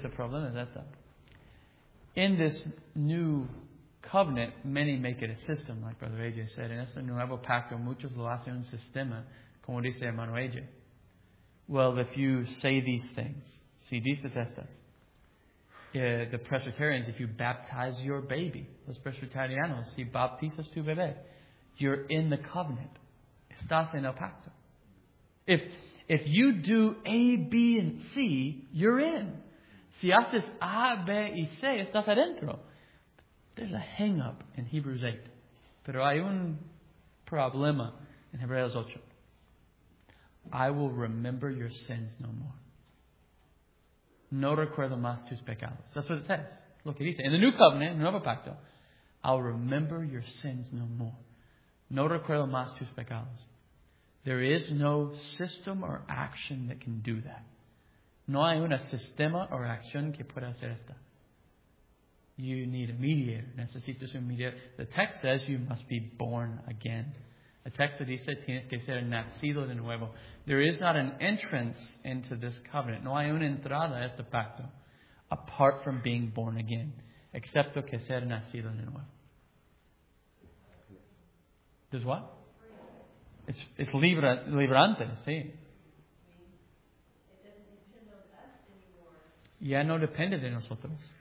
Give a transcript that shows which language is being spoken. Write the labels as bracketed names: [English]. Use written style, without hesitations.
[English] The problem is that in this new covenant, many make it a system, like Brother AJ said. [Spanish] En este nuevo pacto, muchos lo hacen un sistema, como dice hermano AJ. [English] Well, if you say these things, [Spanish] si dices estas, [English] the Presbyterians, if you baptize your baby, [Spanish] los Presbyterianos, si bautizas tu bebé, [English] you're in the covenant. [Spanish] Estás en el pacto. [English] If you do A, B, and C, you're in. [Spanish] Si haces A, B, y C, estás adentro. [English] There's a hang-up in Hebrews 8. [Spanish] Pero hay un problema [English] in Hebreos 8. I will remember your sins no more. [Spanish] No recuerdo más tus pecados. [English] That's what it says. [Spanish] Lo que dice. [English] In the new covenant, in the [Spanish] nuevo pacto, [English] I'll remember your sins no more. [Spanish] No recuerdo más tus pecados. [English] There is no system or action that can do that. [Spanish] No hay una sistema or acción que pueda hacer esta. [English] you need a mediator. [Spanish] Necesitas un mediador. [English] The text says you must be born again. The text [Spanish] dice tienes que ser nacido de nuevo. [English] There is not an entrance into this covenant. [Spanish] No hay una entrada a este pacto [English] apart from being born again. [Spanish] Excepto que ser nacido de nuevo. [English] Does what? It's librante, sí. [Spanish] Ya no depende de nosotros.